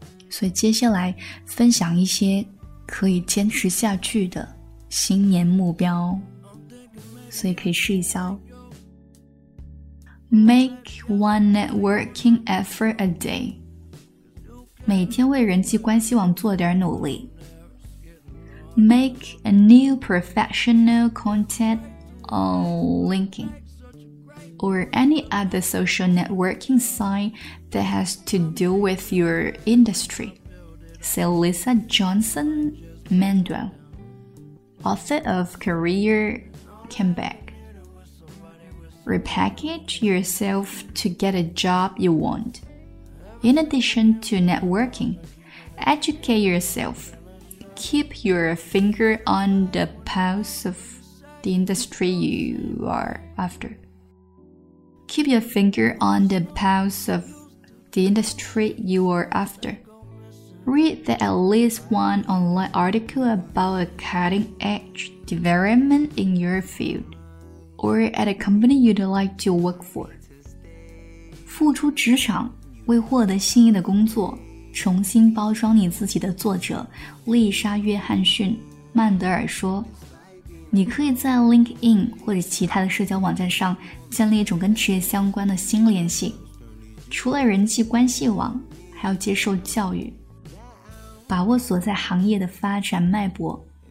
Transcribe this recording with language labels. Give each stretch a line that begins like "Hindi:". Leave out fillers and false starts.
Chinese: 所以接下来分享一些可以坚持下去的新年目标，所以可以试一下哦。
English: Make one networking effort a day.
Chinese: 每天为人际关系网做点努力。
English: Make a new professional content on LinkedIn or any other social networking site that has to do with your industry. Say Lisa Johnson Mandel, author of Career Comeback. Repackage yourself to get a job you want. In addition to networking, educate yourself. Keep your finger on the pulse of the industry you are after. Keep your finger on the pulse of the industry you are after. Read the at least one online article about a cutting edge development in your field. Or at a company you'd like to work for.
Chinese: 付出职场，为获得心仪的工作，重新包装你自己的作者丽莎·约翰逊·曼德尔说，你可以在 LinkedIn 或者其他的社交网站上建立一种跟职业相关的新联系，除了人际关系网，还要接受教育，把握所在行业的发展脉搏。